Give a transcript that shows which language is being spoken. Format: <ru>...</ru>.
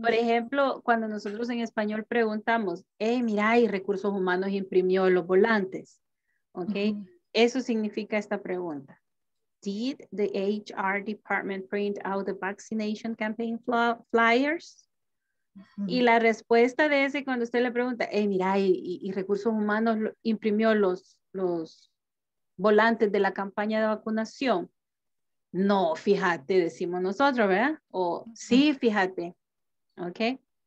<es>Por ejemplo, cuando nosotros en español preguntamos, hey, mira, y recursos humanos imprimió los volantes. Okay, mm-hmm. eso significa esta pregunta.</es> <en>Did the HR department print out the vaccination campaign flyers?</en> <es>Mm-hmm. Y la respuesta de ese cuando usted le pregunta, hey, mira, y recursos humanos imprimió los volantes de la campaña de vacunación. No, fíjate, decimos nosotros, ¿verdad? O mm-hmm. sí, fíjate. Okay.</es>